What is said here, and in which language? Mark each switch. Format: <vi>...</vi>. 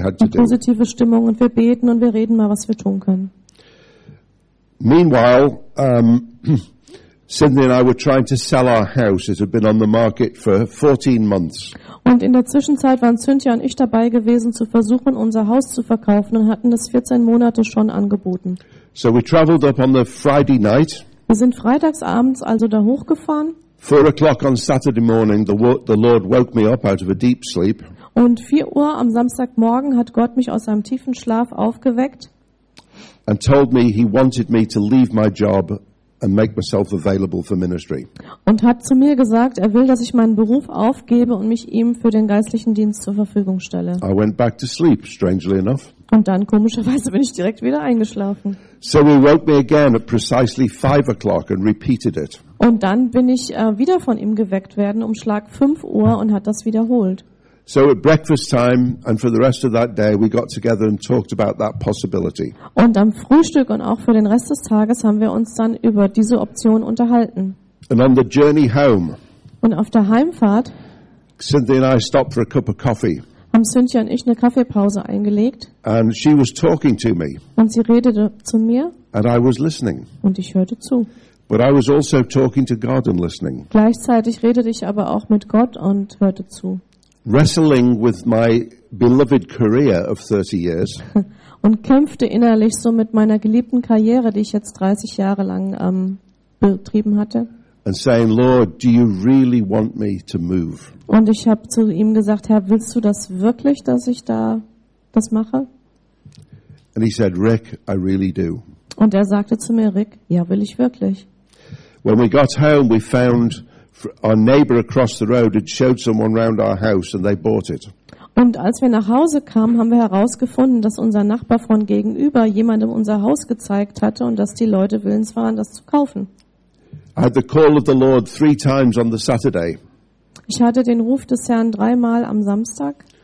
<de>positive Stimmung und wir beten und wir reden mal, was wir tun können.</de> <en>Meanwhile, Cynthia and I were trying to sell our house. It had been on the market for 14 months.</en> <de>Und in der Zwischenzeit waren Cynthia und ich dabei gewesen, zu versuchen, unser Haus zu verkaufen und hatten das 14 Monate schon angeboten.</de> <en>So we traveled up on the Friday night.</en> <de>Wir sind freitagsabends also da hochgefahren.</de> <en>4 o'clock on Saturday morning, the Lord woke me up out of a deep sleep.</en> <de>Und 4 Uhr am Samstagmorgen hat Gott mich aus einem tiefen Schlaf aufgeweckt.</de> <en>And told me he wanted me to leave my job and make myself available for ministry.</en> <de>Und hat zu mir gesagt, er will, dass ich meinen Beruf aufgebe und mich ihm für den geistlichen Dienst zur Verfügung stelle.</de> <en>I went back to sleep, strangely enough.</en> <de>Und dann komischerweise bin ich direkt wieder eingeschlafen.</de> <en>So he woke me again at precisely 5 o'clock and repeated it.</en> <de>Und dann bin ich wieder von ihm geweckt worden um Schlag 5 Uhr und hat das wiederholt.</de> <en>So at breakfast time and for the rest of that day we got together and talked about that possibility.</en> <de>Und am Frühstück und auch für den Rest des Tages haben wir uns dann über diese Option unterhalten.</de> <en>And on the journey home.</en> <de>Und auf der Heimfahrt.</de> <en>Cynthia and I stopped for a cup of coffee.</en> <de>Haben Cynthia und ich eine Kaffeepause eingelegt.</de> <en>And she was talking to me.</en> <de>Und sie redete zu mir.</de> <en>And I was listening.</en> <de>Und ich hörte zu.</de> <en>But I was also talking to God and listening.</en> <de>Gleichzeitig redete ich aber auch mit Gott und hörte zu.</de> <en>Wrestling with my beloved career of 30 years.</en> <de>Und kämpfte innerlich so mit meiner geliebten Karriere, die ich jetzt 30 Jahre lang betrieben hatte.</de> <en>And saying, Lord, do you really want me to move?</en> <de>Und ich habe zu ihm gesagt, Herr, willst du das wirklich, dass ich da das mache?</de> <en>And he said, Rick, I really do.</en> <de>Und er sagte zu mir, Rick, ja, will ich wirklich.</de> <en>When we got home, we found our neighbor across the road had showed someone round our house and they bought it.</en> <de>Und als wir nach Hause kamen, haben wir herausgefunden, dass unser Nachbar von gegenüber jemandem unser Haus gezeigt hatte und dass die Leute willens waren, das zu kaufen.</de> <en>I had the call of the Lord 3 times on the Saturday.</en> <de>Ich hatte den Ruf des Herrn 3-mal am Samstag.</de>